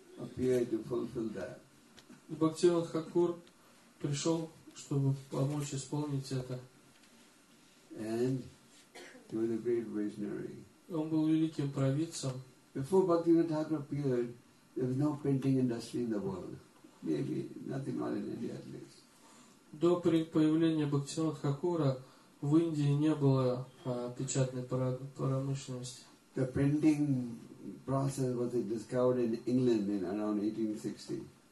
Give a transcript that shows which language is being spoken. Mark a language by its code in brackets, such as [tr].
[ru] Бхактивинода Тхакур пришел, чтобы помочь исполнить это. Он был великим провидцем. [en] Before Bhaktivinoda Thakur appeared, there was no printing industry in the world. Maybe nothing on in India at least. [ru] До появления Бхактивинода Тхакура в Индии не было печатной промышленности. [en] The printing process was discovered in England in around 1860.